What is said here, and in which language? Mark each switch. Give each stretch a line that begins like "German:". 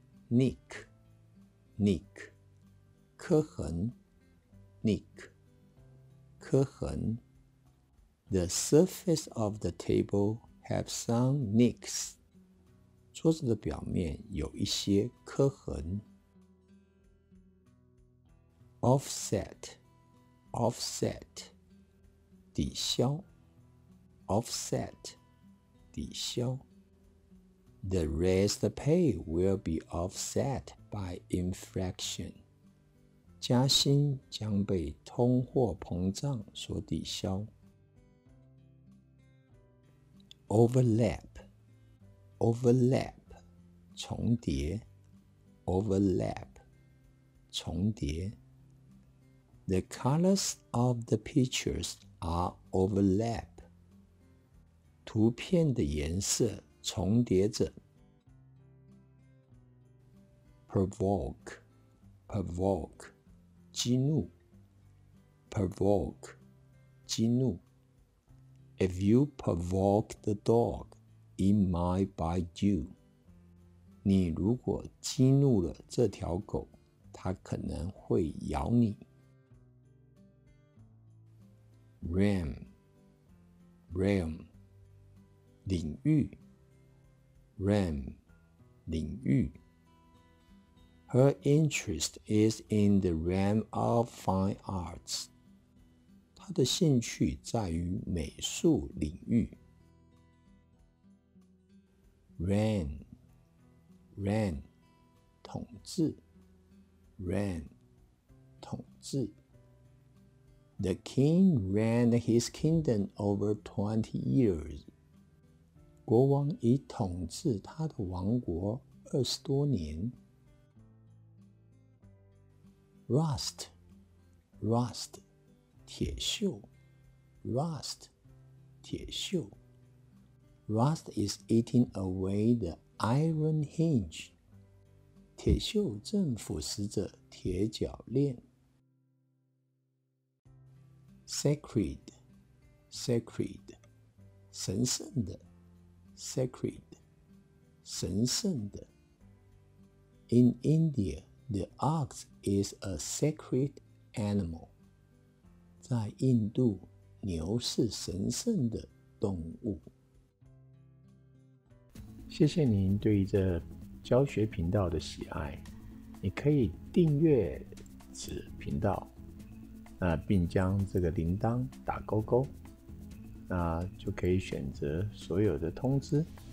English: Nick, Nick, 磕痕。 Nick, 磕痕。 The surface of the table have some nicks.
Chinese: 桌子的表面有一些磕痕。
English: Offset, offset, 抵消。 Offset, 抵消。 The raised pay will be offset by inflation.
Chinese: 加薪将被通货膨胀所抵消。
English: Overlap, overlap, 重叠。Overlap, 重叠。 The colors of the pictures are overlap.
Chinese: 图片的颜色重叠着。
English: Provoke, provoke, 激怒。 Provoke, 激怒。 If you provoke the dog, it might bite you.
Chinese: 你如果激怒了这条狗，它可能会咬你。
English: Realm, realm, 领域。 Realm, 领域。 Her interest is in the realm of fine arts.
Chinese: 她的兴趣在于美术领域。
English: Reign, reign, 统治。 Reign, 统治。The king ran his kingdom over 20 years.
Chinese: 国王已统治他的王国二十多年。
English: Rust, rust, 铁锈。 Rust, 铁锈。Rust is eating away the iron hinge.
Chinese: 铁锈正腐蚀着铁铰链。
English: Sacred, sacred, 神圣的。 Sacred, 神圣的。 In India, the ox is a sacred animal.
Chinese: 在印度，牛是神圣的动物。谢谢您对这教学频道的喜爱，你可以订阅此频道。那并将这个铃铛打勾勾，那就可以选择所有的通知。